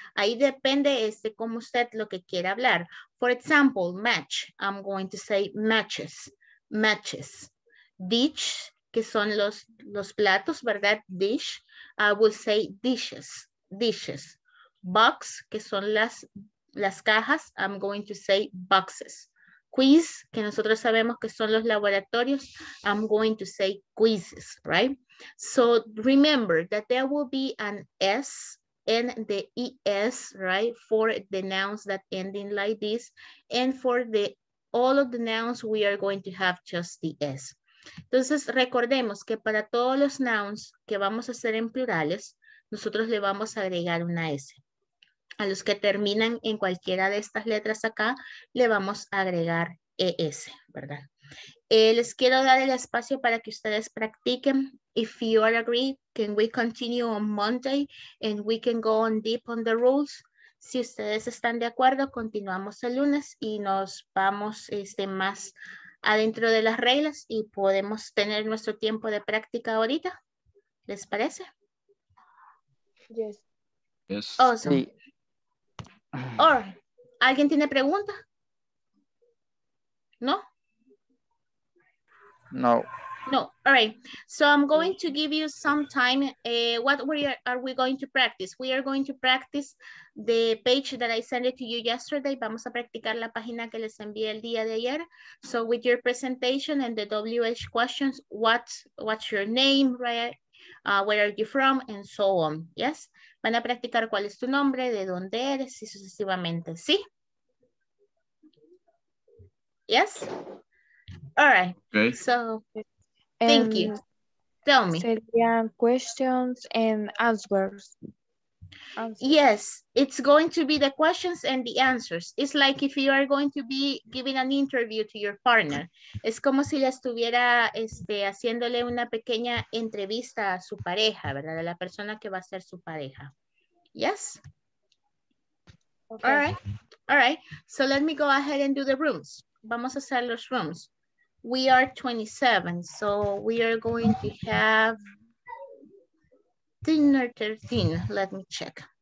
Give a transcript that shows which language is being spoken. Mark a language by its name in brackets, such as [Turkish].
[Spanish] Ahí depende este cómo usted lo que quiera hablar. [English] For example, match, I'm going to say matches, matches. [Spanish] Dish, que son los platos, ¿verdad? [English] Dish, I will say dishes, dishes. Box, [Spanish] que son las cajas, [English] I'm going to say boxes. [Spanish] Quiz, que nosotros sabemos que son los laboratorios, [English] I'm going to say quizzes, right? So remember that there will be an S and the ES, right? For the nouns that end in like this. And for the all of the nouns, we are going to have just the S. [Spanish] Entonces recordemos que para todos los nouns que vamos a hacer en plurales, nosotros le vamos a agregar una S. A los que terminan en cualquiera de estas letras acá, le vamos a agregar ES, ¿verdad? Les quiero dar el espacio para que ustedes practiquen. [English] If you are agree, can we continue on Monday and we can go on deep on the rules? [Spanish] Si ustedes están de acuerdo, continuamos el lunes y nos vamos más adentro de las reglas y podemos tener nuestro tiempo de práctica ahorita. ¿Les parece? [English] Yes. Yes. Awesome. [Spanish] Sí. Or, ¿alguien tiene pregunta? ¿No? No. [English] No, all right. So I'm going to give you some time. What are we going to practice? We are going to practice the page that I sent it to you yesterday. [Spanish] Vamos a practicar la página que les envié el día de ayer. [English] So with your presentation and the WH questions, what's your name, right? Where are you from, and so on, yes? [Spanish] Van a practicar cuál es tu nombre, de dónde eres, y sucesivamente, ¿sí? [English] Yes? All right, okay. So, thank you. Tell me. [Spanish] Sería [English] questions and answers. Yes, it's going to be the questions and the answers. It's like if you are going to be giving an interview to your partner. [Spanish] Es como si le estuviera haciéndole una pequeña entrevista a su pareja, ¿verdad? A la persona que va a ser su pareja. [English] Yes? Okay. All right. All right. So let me go ahead and do the rooms. [Spanish] Vamos a hacer los rooms. [English] We are 27, so we are going to have dinner 13. Let me check.